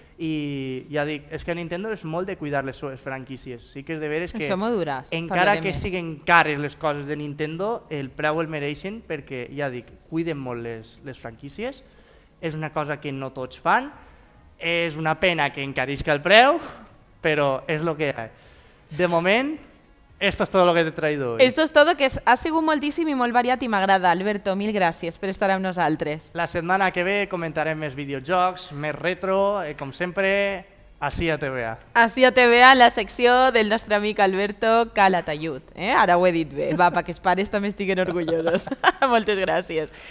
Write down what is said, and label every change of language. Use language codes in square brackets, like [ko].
[ca] I ja dic, és que Nintendo és molt de cuidar les seves franquícies. Sí que és de veres que encara que siguin cares les coses de Nintendo, el preu el mereixen perquè, ja dic, cuiden molt les franquícies. És una cosa que no tots fan. És una pena que encarisca el preu, però és el que hi ha. [es] De moment, esto es todo lo que te he traído hoy. Esto es todo, [ca] que ha sigut moltíssim i molt variat i m'agrada, Alberto. Mil gràcies per estar amb nosaltres. La setmana que ve comentarem més videojocs, més retro, com sempre, així a TVA. Així a TVA, la secció del nostre amic Alberto Calatayud. Ara ho he dit bé, va, perquè els pares també estiguen orgullosos. Moltes gràcies.